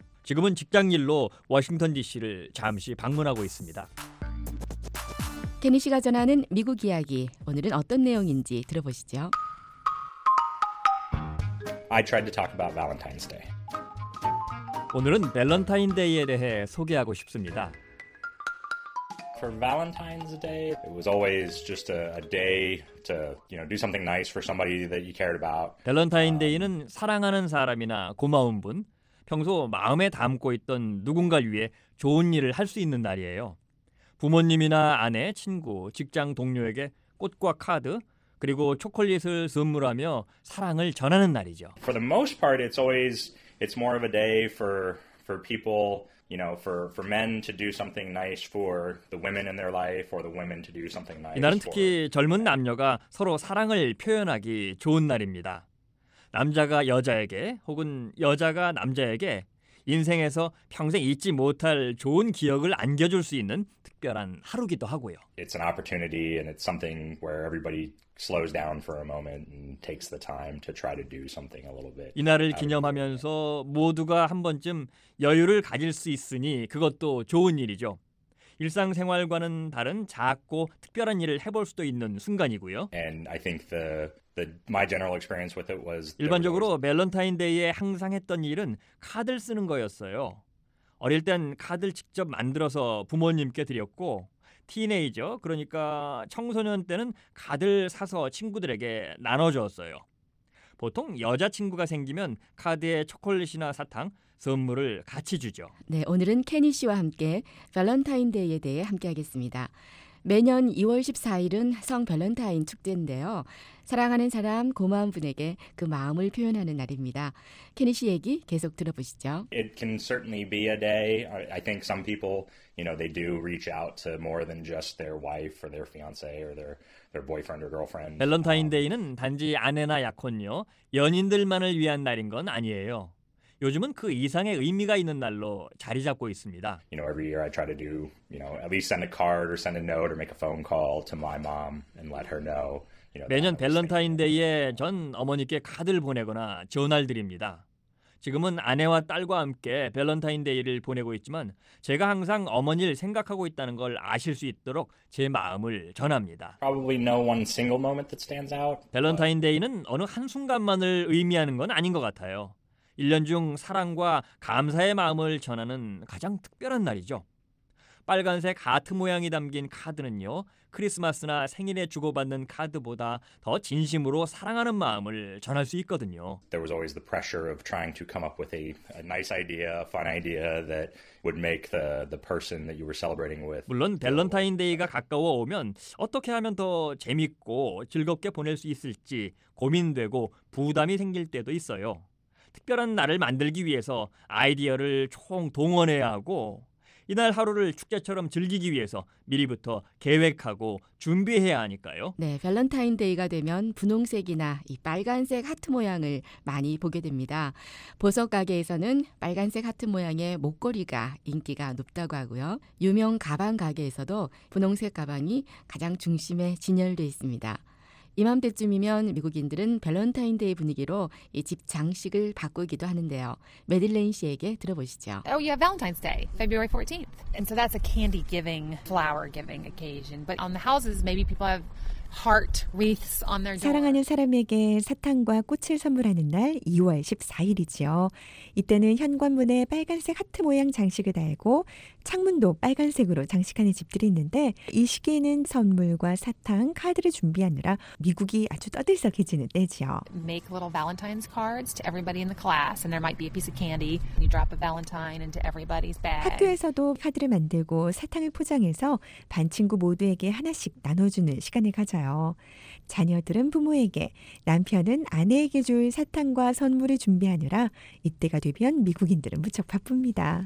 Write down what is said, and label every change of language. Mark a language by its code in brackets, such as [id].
[ko] 지금은 직장 일로 워싱턴 DC를 잠시 방문하고 있습니다. 케니 씨가 전하는 미국 이야기, 오늘은 어떤 내용인지 들어보시죠. [en] I tried to talk about Valentine's Day. [ko] 오늘은 밸런타인데이에 대해 소개하고 싶습니다. [en] For Valentine's Day, it was always just a day to, you know, do something nice for somebody that you cared about. [ko] 밸런타인데이는 사랑하는 사람이나 고마운 분, 평소 마음에 담고 있던 누군가를 위해 좋은 일을 할 수 있는 날이에요. 부모님이나 아내, 친구, 직장 동료에게 꽃과 카드, 그리고 초콜릿을 선물하며 사랑을 전하는 날이죠. [en] For the most part, it's always it's more of a day for people, you know, for men to do something nice for the women in their life or the women to do something nice. [ko] 이날은 특히 젊은 남녀가 서로 사랑을 표현하기 좋은 날입니다. 남자가 여자에게 혹은 여자가 남자에게 인생에서 평생 잊지 못할 좋은 기억을 안겨줄 수 있는 특별한 하루기도 하고요. [en] It's an opportunity and it's something where everybody slows down for a moment and takes the time to try to do something a little bit. [ko] 이날을 기념하면서 모두가 한 번쯤 여유를 가질 수 있으니 그것도 좋은 일이죠. 일상생활과는 다른 작고 특별한 일을 해볼 수도 있는 순간이고요. [en] And I think my general experience with it was [ko] 일반적으로 밸런타인데이에 항상 했던 일은 카드를 쓰는 거였어요. 어릴 땐 카드를 직접 만들어서 부모님께 드렸고 티네이저, 그러니까 청소년 때는 카드를 사서 친구들에게 나눠줬어요. 보통 여자친구가 생기면 카드에 초콜릿이나 사탕, 선물을 같이 주죠. 네, 오늘은 케니 씨와 함께 밸런타인데이에 대해 함께하겠습니다. 매년 2월 14일은 성 밸런타인 축제인데요. 사랑하는 사람, 고마운 분에게 그 마음을 표현하는 날입니다. 케니 씨 얘기 계속 들어보시죠. [en] It can certainly be a day. I think some people, you know, they do reach out to more than just their wife or their fiance or their boyfriend or girlfriend. [ko] 밸런타인데이는 단지 아내나 약혼녀, 연인들만을 위한 날인 건 아니에요. 요즘은 그 이상의 의미가 있는 날로 자리 잡고 있습니다. [en] You know, every year I try to do, you know, at least send a card or send a note or make a phone call to my mom and let her know. You know, [ko] 매년 밸런타인데이에 전 어머니께 카드를 보내거나 전화를 드립니다. 지금은 아내와 딸과 함께 밸런타인데이를 보내고 있지만 제가 항상 어머니를 생각하고 있다는 걸 아실 수 있도록 제 마음을 전합니다. [en] Probably no one single moment that stands out. [ko] 밸런타인데이는 어느 한 순간만을 의미하는 건 아닌 것 같아요. 1년 중 사랑과 감사의 마음을 전하는 가장 특별한 날이죠. 빨간색 하트 모양이 담긴 카드는요, 크리스마스나 생일에 주고받는 카드보다 더 진심으로 사랑하는 마음을 전할 수 있거든요. [en] There was always the pressure of trying to come up with a nice idea, a fun idea that would make the person that you were celebrating with. [ko] 물론 밸런타인데이가 가까워 오면 어떻게 하면 더 재밌고 즐겁게 보낼 수 있을지 고민되고 부담이 생길 때도 있어요. 특별한 날을 만들기 위해서 아이디어를 총 동원해야 하고 이날 하루를 축제처럼 즐기기 위해서 미리부터 계획하고 준비해야 하니까요. 네, 밸런타인데이가 되면 분홍색이나 이 빨간색 하트 모양을 많이 보게 됩니다. 보석 가게에서는 빨간색 하트 모양의 목걸이가 인기가 높다고 하고요. 유명 가방 가게에서도 분홍색 가방이 가장 중심에 진열돼 있습니다. 이맘때쯤이면 미국인들은 밸런타인데이 분위기로 이 집 장식을 바꾸기도 하는데요. 메들레인 씨에게 들어보시죠. [en] Oh yeah, Valentine's Day, February 14th. And so that's a candy giving, flower giving occasion. But on the houses, maybe people have heart wreaths on their door. [ko] 사랑하는 사람에게 사탕과 꽃을 선물하는 날 2월 14일이죠. 이때는 현관문에 빨간색 하트 모양 장식을 달고 창문도 빨간색으로 장식하는 집들이 있는데 이 시기에는 선물과 사탕, 카드를 준비하느라 미국이 아주 떠들썩해지는 때지요. [en] Make little Valentine's cards to everybody in the class and there might be a piece of candy. You drop a Valentine into everybody's bag. [ko] 학교에서도 카드를 만들고 사탕을 포장해서 반 친구 모두에게 하나씩 나눠주는 시간을 가져요. 자녀들은 부모에게, 남편은 아내에게 줄 사탕과 선물을 준비하느라 이때가 되면 미국인들은 무척 바쁩니다.